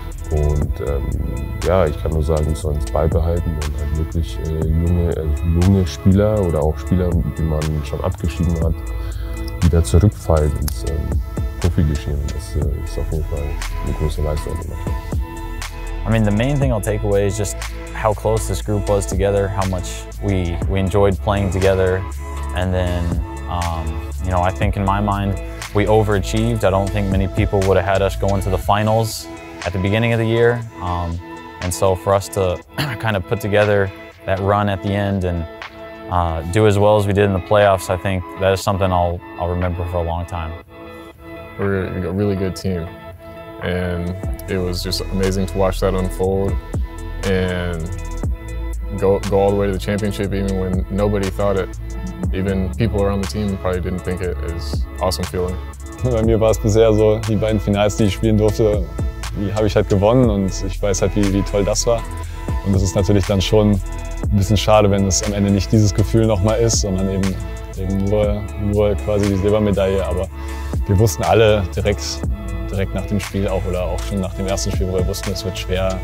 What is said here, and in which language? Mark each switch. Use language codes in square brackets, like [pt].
[de] Und ich kann nur sagen, wir sollen es beibehalten und halt wirklich junge Spieler oder auch Spieler, die man schon abgeschrieben hat, wieder zurückfallen ins Profigeschehen. Das ist auf jeden Fall eine große Leistung. [en] I mean, the main thing I'll take away is just how close this group was together, how much we enjoyed playing together. And then, I think in my mind, we overachieved. I don't think many people would have had us going to the finals at the beginning of the year. And so for us to kind of put together that run at the end and do as well as we did in the playoffs, I think that is something I'll remember for a long time. We're a really good team. And it was just amazing to watch that unfold and go all the way to the championship, even when nobody thought it. Even people around the team probably didn't think it. It's an awesome feeling. [de] Bei mir war es bisher so, die beiden Finals, die ich spielen durfte, die habe ich halt gewonnen und ich weiß halt, wie toll das war. Und es ist natürlich dann schon ein bisschen schade, wenn es am Ende nicht dieses Gefühl nochmal ist, sondern eben nur quasi die Silbermedaille. Aber wir wussten alle direkt nach dem Spiel auch oder auch schon nach dem ersten Spiel, wo wir wussten, es wird schwer.